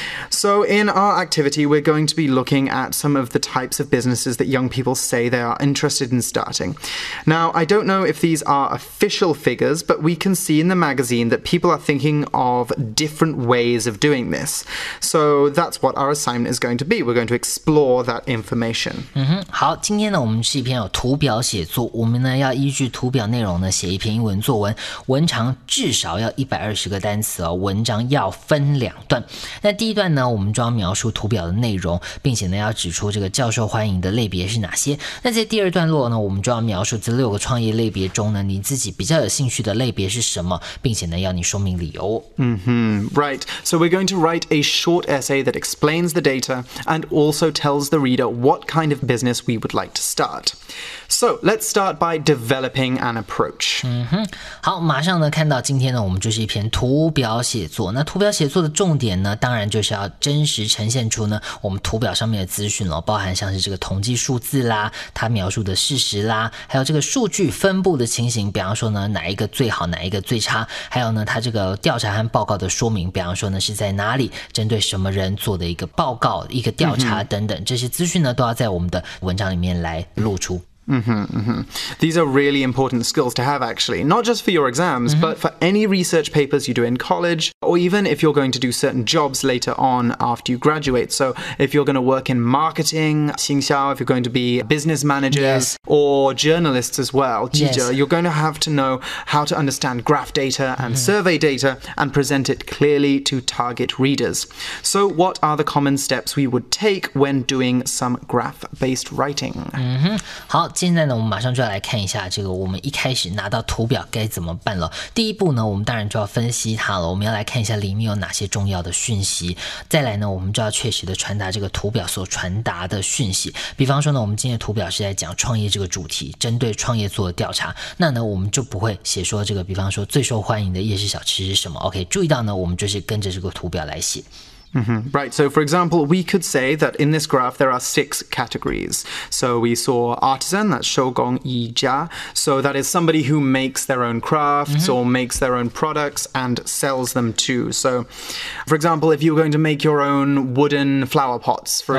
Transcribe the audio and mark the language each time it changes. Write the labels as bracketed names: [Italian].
[English] So in our activity, we're going to be looking at some of the types of businesses that young people say they are interested in starting. Now, I don't know if these are official figures, but we can see in the magazine that people are thinking of different ways of doing this. So that's what our assignment is going to be. We're going to explore that information. [Chinese] 嗯哼，好，今天呢，我们是一篇有图表写作，我们呢要依据图表内容呢写一篇英文作文，文长至少要120个单词哦，文章要分两段。那第一段呢，我们就要描述图表的内容。并且呢要指出这个较受欢迎的类别是哪些。那在第二段落呢，我们就要描述这六个创业类别中呢，你自己比较有兴趣的类别是什么，并且呢要你说明理由。 Mm-hmm. [English] Right, so we're going to write a short essay that explains the data and also tells the reader what kind of business we would like to start. So let's start by developing an approach. [Chinese] 嗯哼，好，马上呢看到今天呢我们就是一篇图表写作。那图表写作的重点呢，当然就是要真实呈现出呢我们图表上面的资讯了，包含像是这个统计数字啦，它描述的事实啦，还有这个数据分布的情形，比方说呢哪一个最好，哪一个最差，还有呢它这个调查和报告的说明，比方说呢是在哪里针对什么人做的一个报告、一个调查等等，这些资讯呢都要在我们的文章里面来露出。 [English] These are really important skills to have, actually, not just for your exams,、mm-hmm. but for any research papers you do in college, or even if you're going to do certain jobs later on after you graduate. So if you're going to work in marketing, [Chinese] 行销, [English] if you're going to be business managers、 yes. or journalists as well, [Chinese] 记者, [English] you're going to have to know how to understand graph data and、mm-hmm. survey data and present it clearly to target readers. So what are the common steps we would take when doing some graph-based writing?、 Mm-hmm. [Chinese] 好，现在呢，我们马上就要来看一下这个我们一开始拿到图表该怎么办了。第一步呢，我们当然就要分析它了，我们要来看一下里面有哪些重要的讯息。再来呢，我们就要确实的传达这个图表所传达的讯息。比方说呢，我们今天的图表是在讲创业这个主题，针对创业做的调查，那呢，我们就不会写说这个，比方说最受欢迎的夜市小吃是什么。 OK， 注意到呢，我们就是跟着这个图表来写。 Mm-hmm. [English] Right, so for example, we could say that in this graph there are six categories. So we saw artisan, that's [Chinese] 手工一家. [English] So that is somebody who makes their own crafts、mm-hmm. or makes their own products and sells them too. So for example, if you're going to make your own wooden flower pots, for、